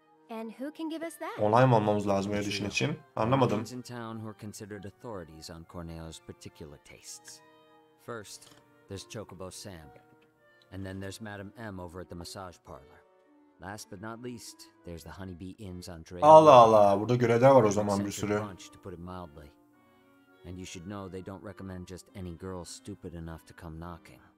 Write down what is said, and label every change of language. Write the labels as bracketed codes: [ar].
[en] And who can give us that? [tr] Onay mı almamız lazım audition için? Anlamadım. [en] In town who are considered authorities on Corneo's particular tastes. First, there's Chocobo Sam. And then there's Madame M over at the massage parlor. Last but not least, there's the Honeybee Inn's Andrea. [tr] Allah Allah, burada görevler var o zaman bir sürü. [en] To put it mildly. And you should know they don't recommend just any girl stupid enough to come knocking.